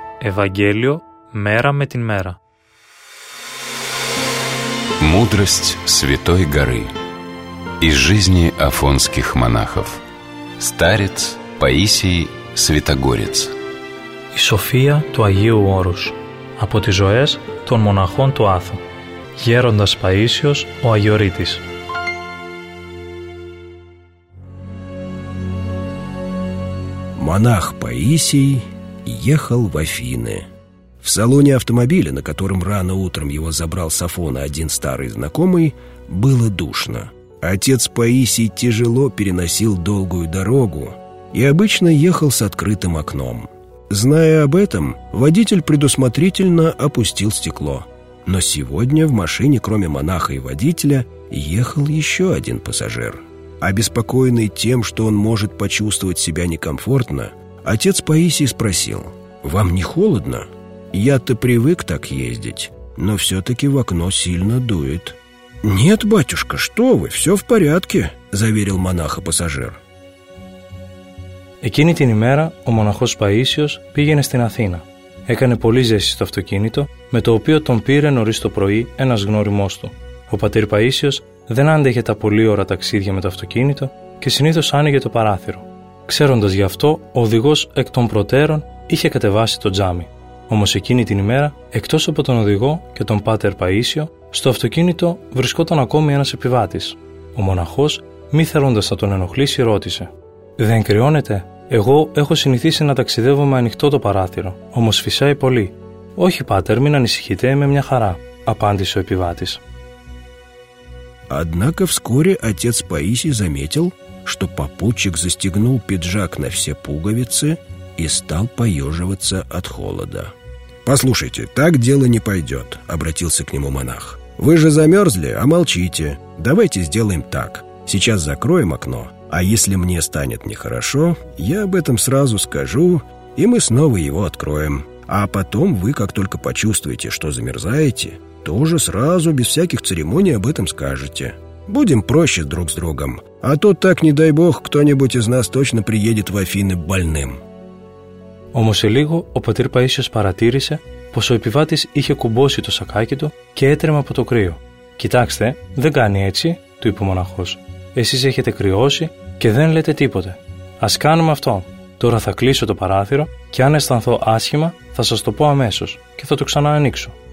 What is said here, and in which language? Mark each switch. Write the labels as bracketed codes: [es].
[el] Евангелие мера με την мера. [ru] Мудрость Святой Горы. Из жизни афонских монахов. Старец Паисий Святогорец. [el] И София του Αγίου Όρους. Από τις ζωές των μοναχών του Άθου. Γέροντας Παΐσιος ο Αγιορείτης. [ru] Монах Паисий ехал в Афины. В салоне автомобиля, на котором рано утром его забрал с Афона один старый знакомый, было душно. Отец Паисий тяжело переносил долгую дорогу и обычно ехал с открытым окном. Зная об этом, водитель предусмотрительно опустил стекло. Но сегодня в машине, кроме монаха и водителя, ехал еще один пассажир. Обеспокоенный тем, что он может почувствовать себя некомфортно, отец Паисий спросил: «Вам не холодно? Я-то привык так ездить, но все-таки в окно сильно дует». «Нет, батюшка, что вы, все в порядке», – заверил монаха пассажир. [el] Εκείνη την ημέρα ο μοναχός Παΐσιος πήγαινε στην Αθήνα. Έκανε πολύ ζέση στο αυτοκίνητο, με το οποίο τον πήρε νωρίς το πρωί ένας γνώριμός του. Ο πατήρ Παΐσιος δεν άντεχε τα πολύ ώρα ταξίδια με το αυτοκίνητο και συνήθως άνοιγε το παράθυρο. Ξέροντας γι' αυτό, ο οδηγός εκ των προτέρων είχε κατεβάσει το τζάμι. Όμως εκείνη την ημέρα, εκτός από τον οδηγό και τον πάτερ Παΐσιο, στο αυτοκίνητο βρισκόταν ακόμη ένας επιβάτης. Ο μοναχός, μη θέλοντας να τον ενοχλήσει, ρώτησε: «Δεν κρυώνεται? Εγώ έχω συνηθίσει να ταξιδεύω με ανοιχτό το παράθυρο, όμως φυσάει πολύ». «Όχι, πάτερ, μην ανησυχείτε, είμαι μια χαρά», απάντησε ο επιβάτης. [ru] Однако вскоре отец Паисий заметил, что попутчик застегнул пиджак на все пуговицы и стал поеживаться от холода. «Послушайте, так дело не пойдет», — обратился к нему монах. «Вы же замерзли, а молчите. Давайте сделаем так. Сейчас закроем окно, а если мне станет нехорошо, я об этом сразу скажу, и мы снова его откроем. А потом вы, как только почувствуете, что замерзаете, тоже сразу, без всяких церемоний, об этом скажете. Будем проще друг с другом, а то так, не дай бог, кто-нибудь из нас точно приедет в Афины больным». [el] Όμως σε λίγο ο πατήρ Παΐσιος παρατήρησε πως ο επιβάτης είχε κουμπώσει το σακάκι του και έτρεμε από το κρύο. «Κοιτάξτε, δεν κάνει έτσι», του είπε ο μοναχός. «Εσείς έχετε κρυώσει και δεν λέτε τίποτε. Ας κάνουμε αυτό. Τώρα θα κλείσω το παράθυρο και αν αισθανθώ άσχημα θα σας το πω αμέσως και θα το ξαναανοίξω.